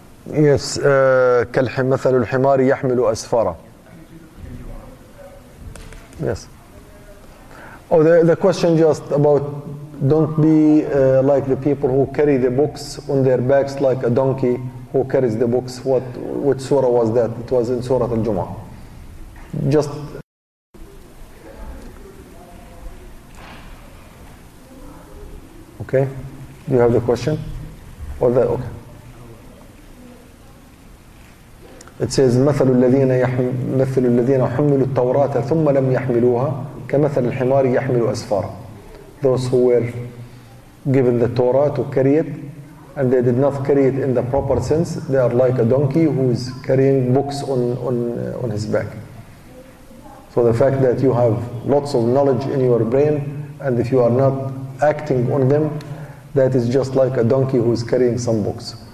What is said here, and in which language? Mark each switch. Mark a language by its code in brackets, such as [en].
[ar] Yes, كالمثل الحمار يحمل أسفارا. [en] Yes. Oh, the question just about don't be like the people who carry the books on their backs like a donkey who carries the books. Which surah was that? It was in Surah Al-Jumu'ah. Just. Okay. Do you have the question? Or the, okay. It says, [ar] مثل الذين مثل الذين حملوا التوراة ثم لم يحملوها كمثل الحمار يحمل أسفارا. [en] Those who were given the Torah to carry it and they did not carry it in the proper sense, they are like a donkey who is carrying books on his back. So the fact that you have lots of knowledge in your brain and if you are not acting on them, that is just like a donkey who is carrying some books.